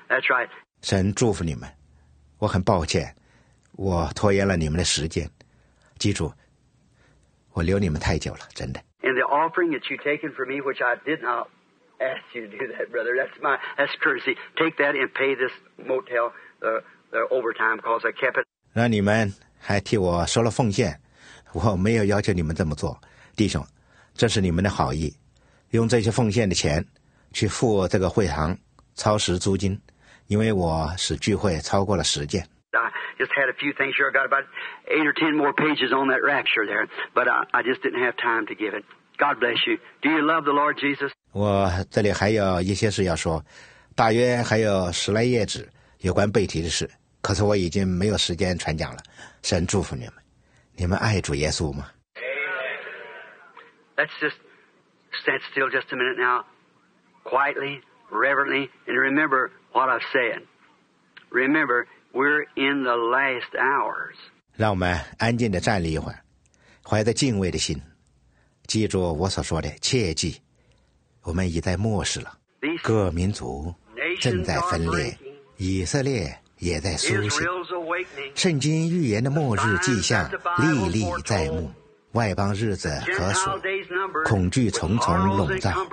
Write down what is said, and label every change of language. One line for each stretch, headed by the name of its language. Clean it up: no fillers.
English: That's right.
Chinese: 神祝福你们，我很抱歉，我拖延了你们的时间。记住，我留你们太久了，真的。
English: And the offering that you've taken for me, which I did not ask you to do that, brother, that's courtesy. Take that and pay this motel the overtime because I kept it.
Chinese: 让你们还替我收了奉献。我没有要求你们这么做，弟兄，这是你们的好意，用这些奉献的钱去付这个会堂超时租金，因为我使聚会超过了时间。
English: I just had a few things here. I got about 8 or 10 more pages on that rapture there, but I just didn't have time to give it. God bless you. Do you love the Lord Jesus?
Chinese: 我这里还有一些事要说，大约还有十来页纸有关背提的事，可是我已经没有时间传讲了。神祝福你们。你们爱主耶稣吗？
English: Let's just stand still just a minute now, quietly, reverently, and remember what I've said. Remember, we're in the last hours.
Chinese: 让我们安静地站立一会儿，怀着敬畏的心，记住我所说的，切记，我们已在末世了。各民族正在分裂，以色列也在苏醒。圣经预言的末日迹象历历在目，外邦日子可数，恐惧重重笼罩。